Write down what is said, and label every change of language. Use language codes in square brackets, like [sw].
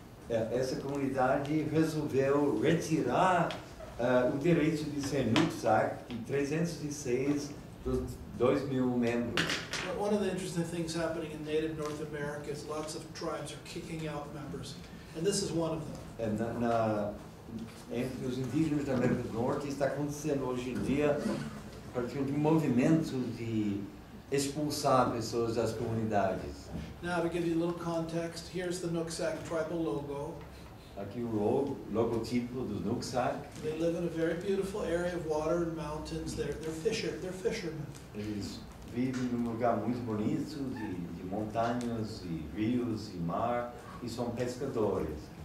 [pt] Essa comunidade resolveu retirar o direito de ser Nuksak de 306 dos 2,000 membros. [en] One of the interesting things happening in Native North America is lots of tribes are kicking out members, and this is one of them. [pt] Entre os indígenas da América do Norte, está acontecendo hoje em dia a partir de um movimento de expulsar pessoas das comunidades. [en] Now, to give you a little context, here's the Nuksak tribal logo. [pt] Aqui o logotipo do Nuksak. [en] They live in a very beautiful area of water and mountains. They're fishermen. [pt] Eles vivem num lugar muito bonito, de montanhas e rios e mar, e são pescadores.